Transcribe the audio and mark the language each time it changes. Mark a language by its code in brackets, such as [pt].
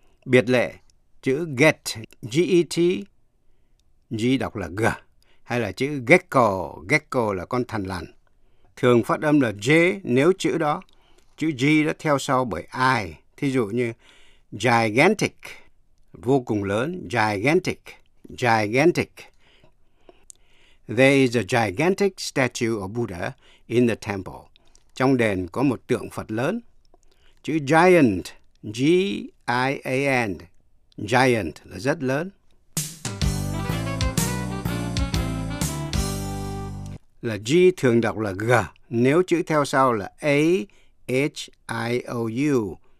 [vi] Biệt lệ, chữ get, G-E-T, G đọc là G, hay là chữ gecko, gecko là con thằn lằn. Thường phát âm là J nếu chữ đó, chữ G đó theo sau bởi I, thí dụ như gigantic, vô cùng lớn, gigantic, gigantic. [en] There is a gigantic statue of Buddha in the temple. [vi] Trong đền có một tượng Phật lớn. Chữ giant, G-I-A-N, giant là rất lớn. Là G thường đọc là G, nếu chữ theo sau là A-H-I-O-U.